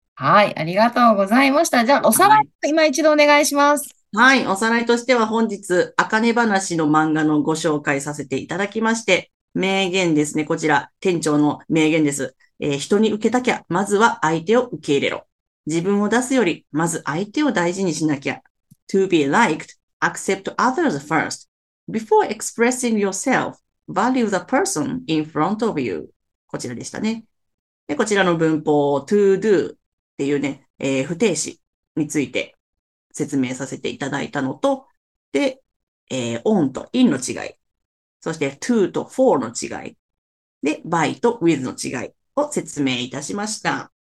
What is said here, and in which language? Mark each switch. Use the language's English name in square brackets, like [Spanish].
[Japanese] はい、ありがとうございました。じゃあ、おさらい、はい、今一度お願いします。はい、おさらいとしては本日、あかね話の漫画のご紹介させていただきまして、名言ですね、こちら、店長の名言です。人に受けたきゃ、まずは相手を受け入れろ。自分を出すより、まず相手を大事にしなきゃ。 [English] To be liked, accept others first. Before expressing yourself, value the person in front of you. [Japanese] こちらでしたね。で、こちらの文法、to do。っていうね、不定詞について説明させていただいたのと、で、on と in の違い、そして to と for の違い、で、by と with の違いを説明いたしました。